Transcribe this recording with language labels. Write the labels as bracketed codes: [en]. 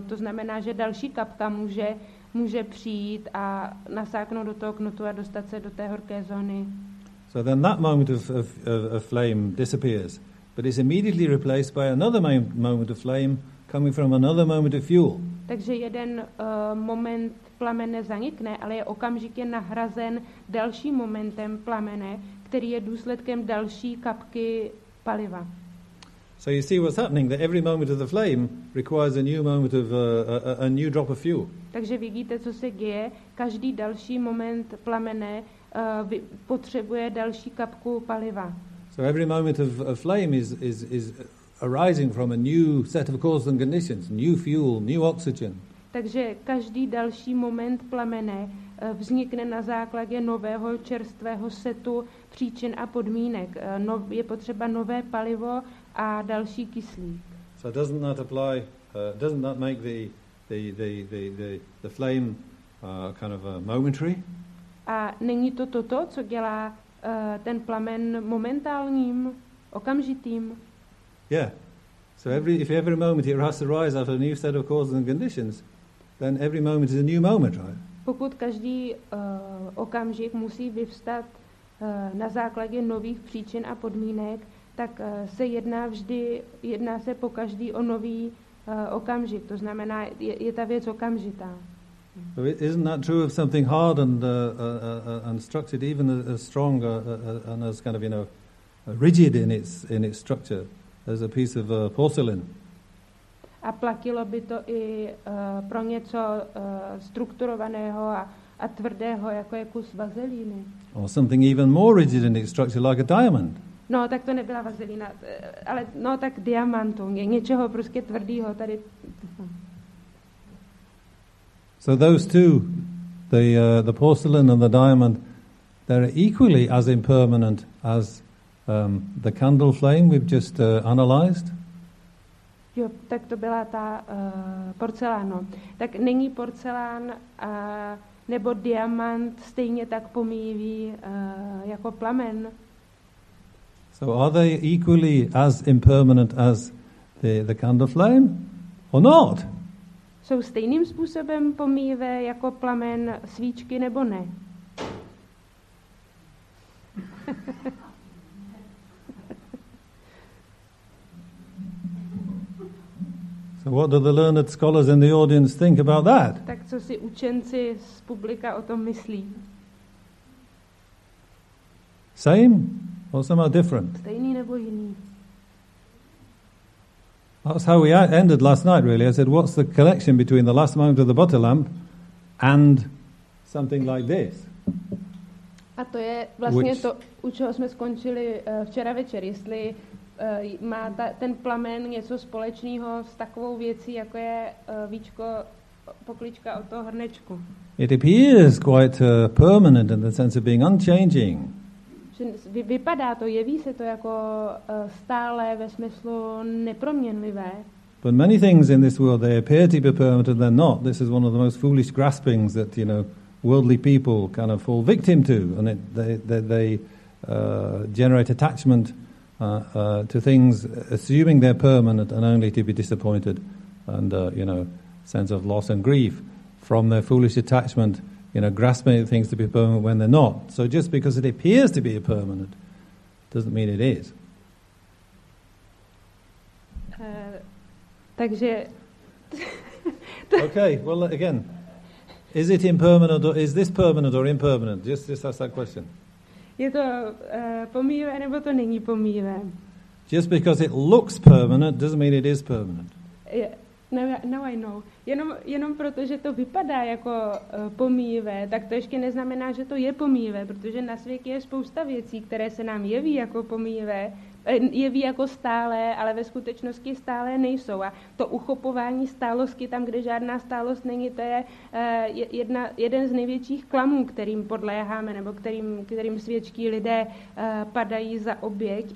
[cs] To znamená, že další kapka může přijít a nasáknout do toho knutu a dostat se do té horké zóny. [en] So then that moment of flame disappears, but it's immediately replaced by another moment of flame coming from another moment of fuel. [cs] Takže jeden moment plamene zanikne, ale je okamžitě nahrazen dalším momentem plamene, který je důsledkem další kapky paliva. [en] So you see what's happening, that every moment of the flame requires a new moment of a new drop of fuel. [cs] Takže vidíte, co se děje. Každý další moment plamene potřebuje další kapku paliva. [en] So every moment of flame is arising from a new set of causes and conditions, new fuel, new oxygen. [cs] Takže každý další moment plamene vznikne na základě nového čerstvého setu příčin a podmínek. Je potřeba nové palivo a další kyslík. [en] So doesn't that apply, doesn't that make the flame kind of momentary? [cs] A není to co dělá ten plamen momentálním, okamžitým. [en] Yeah. So if every moment it has to rise out of a new set of causes and conditions, then every moment is a new moment, right? [cs] Pokud každý okamžik musí vyvstat na základě nových příčin a podmínek, tak se jedná se po každý o nový okamžik. To znamená, je ta věc okamžitá. [en] So isn't that true of something hard and structured, even as strong and as kind of, you know, rigid in its structure as a piece of porcelain? [cs] A platilo by to i pro něco strukturovaného a tvrdého, jako je kus vazelíny. [en] Or something even more rigid in its structure, like a diamond. [cs] No, tak to nebyla vazelína, ale no, tak diamantum, je něčeho prostě tvrdýho tady. [en] So those two, the porcelain and the diamond, they're equally as impermanent as the candle flame we've just analyzed. [cs] Jo, tak to byla ta porcelán. Tak není porcelán nebo diamant stejně tak pomíjivý jako plamen. [en] So are they equally as impermanent as the candle flame or not? [cs] Jsou stejným způsobem pomíjivé jako plamen svíčky nebo ne? [en] So what do the learned scholars in the audience think about that? [cs] Tak co si učenci z publika o tom myslí? [en] Same or somehow different? [cs] Stejný nebo jiný? [en] That's how we ended last night, really. I said, what's the connection between the last moment of the butter lamp and something like this? [cs] A to je vlastně to, u čeho jsme skončili včera večer. Jestli má ten plamen něco společného s takovou věcí, jako je víčko, poklička od toho hrnečku. [en] It appears quite permanent in the sense of being unchanging. [cs] Vypadá to, jeví se to jako stále ve smyslu neproměnlivé. [en] But many things in this world, they appear to be permanent and they're not. This is one of the most foolish graspings that, you know, worldly people kind of fall victim to. And they generate attachment to things, assuming they're permanent and only to be disappointed and, sense of loss and grief from their foolish attachment, you know, grasping things to be permanent when they're not. So just because it appears to be permanent doesn't mean it is. [cs] Takže [en] okay, well, again, is it impermanent or is this permanent or impermanent? Just ask that question. [cs] Je to pomíjivé nebo to není pomíjivé? [en] Just because it looks permanent doesn't mean it is permanent. No, I know. [cs] Jenom proto, že to vypadá jako pomíjivé, tak to ještě neznamená, že to je pomíjivé, protože na světě je spousta věcí, které se nám jeví jako pomíjivé, jeví jako stálé, ale ve skutečnosti stálé nejsou. A to uchopování stálosti tam, kde žádná stálost není, to je jeden z největších klamů, kterým podléháme, nebo kterým světští lidé padají za oběť.